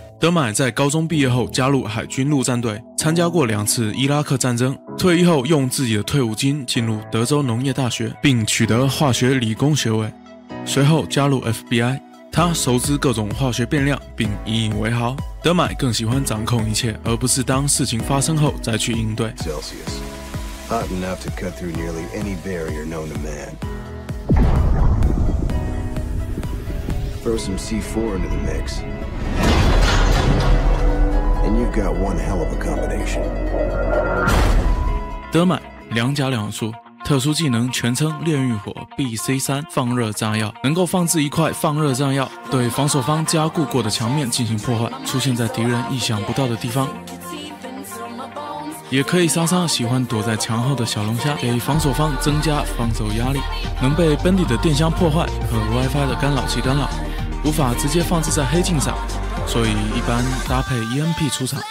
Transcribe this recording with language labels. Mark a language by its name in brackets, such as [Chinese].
[Chinese] 德买在高中毕业后加入海军陆战队，参加过两次伊拉克战争。退役后用自己的退伍金进入德州农业大学，并取得化学理工学位。随后加入 FBI， 他熟知各种化学变量并引以为豪。德买更喜欢掌控一切，而不是当事情发生后再去应对。 [English] Celsius, hot enough to cut through nearly any barrier known to man. Throw some C4 into the mix, and you've got one hell of a combination. [Chinese] 德买两甲两速，特殊技能全称炼狱火 BC3 放热炸药，能够放置一块放热炸药，对防守方加固过的墙面进行破坏，出现在敌人意想不到的地方，也可以杀伤喜欢躲在墙后的小龙虾，给防守方增加防守压力，能被本体的电箱破坏和 WiFi 的干扰器干扰，无法直接放置在黑镜上，所以一般搭配 EMP 出场。